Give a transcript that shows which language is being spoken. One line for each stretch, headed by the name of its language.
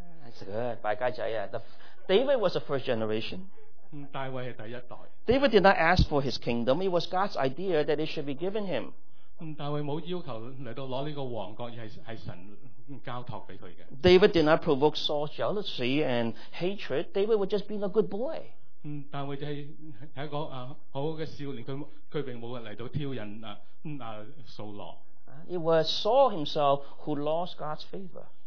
English: That's good,
Cantonese: 敗家仔啊。
English: David was the first generation.
Cantonese: 大衛係第一代。
English: David did not ask for his kingdom. It was God's idea that it should be given him.
Cantonese: 大衛冇要求嚟到攞呢個王國，而係神交託俾佢嘅。
English: David did not provoke Saul's jealousy and hatred. David was just being a good boy.
Cantonese: 大卫就係一個好好嘅少年，佢並冇嚟到挑引掃羅。
English: It was Saul himself who lost God's favor.